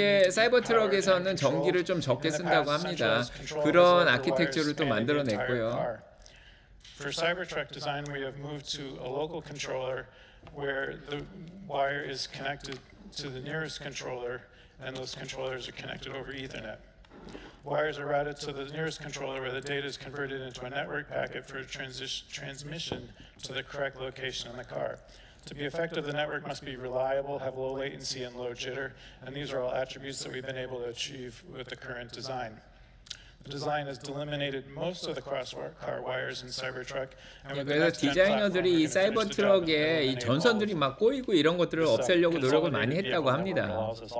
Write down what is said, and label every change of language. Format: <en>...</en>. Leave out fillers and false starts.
<ko>사이버 트럭에서는 전기를 좀 적게 쓴다고 합니다. 그런 아키텍처를 또 만들어냈고요.</ko> <en>For Cybertruck design, we have moved to a local controller where the wire is connected to the nearest controller, and those controllers are connected over Ethernet. Wires are routed to the nearest controller where the data is converted into a network packet for transmission to the correct location in the car. To be effective, the network must be reliable, have low latency, and low jitter, and these are all attributes that we've been able to achieve with the current design. The design has eliminated most of the crosscar wires in Cybertruck.</en> <ko>예, 그래서 디자이너들이 이 사이버 트럭에 이 전선들이 막 꼬이고 이런 것들을 없애려고 노력을 많이 했다고 합니다.</ko>